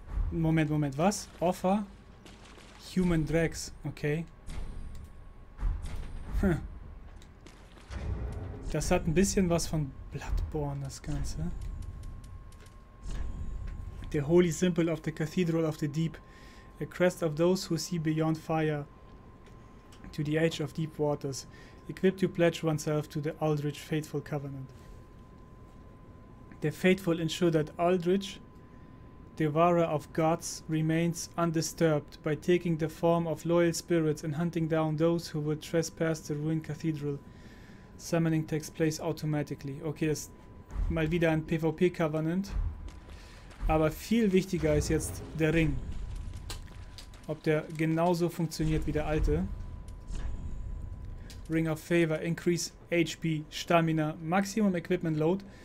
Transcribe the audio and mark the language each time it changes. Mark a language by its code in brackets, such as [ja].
[de] Moment, Moment, was? Offer? Human Drags, okay. Das hat ein bisschen was von Bloodborne, das Ganze. [en] The holy symbol of the cathedral of the deep, a crest of those who see beyond fire to the edge of deep waters, equipped to pledge oneself to the Aldrich faithful covenant. The faithful ensure that Aldrich, devourer of gods, remains undisturbed by taking the form of loyal spirits and hunting down those who would trespass the ruined cathedral. Summoning takes place automatically. [de] Okay, das ist mal wieder ein PvP covenant. Aber viel wichtiger ist jetzt der Ring. Ob der genauso funktioniert wie der alte. [en] Ring of Favor, Increase HP, Stamina, Maximum Equipment Load.